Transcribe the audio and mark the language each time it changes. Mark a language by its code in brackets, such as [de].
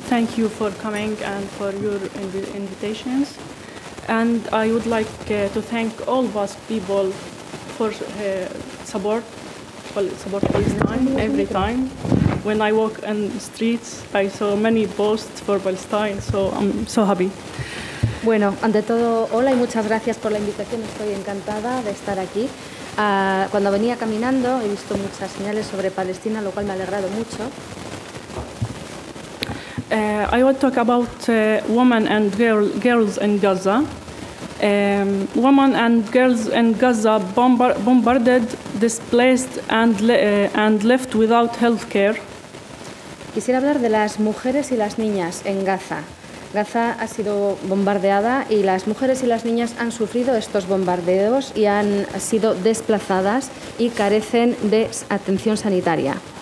[en] Thank you for coming and for your invitations. And I would like to thank all of us people for support Palestine every time. When I walk in the streets, I saw many posts for Palestine, so I'm so happy. [es] Bueno, ante todo, hola y muchas gracias por la invitación. Estoy encantada de estar aquí. Cuando venía caminando, he visto muchas señales sobre Palestina, lo cual me ha alegrado mucho. [en] I want to talk about women and girls in Gaza. Women and girls in Gaza bombarded, displaced, and left without health care. [es] Quisiera hablar de las mujeres y las niñas en Gaza. Gaza ha sido bombardeada y las mujeres y las niñas han sufrido estos bombardeos y han sido desplazadas y carecen de atención sanitaria.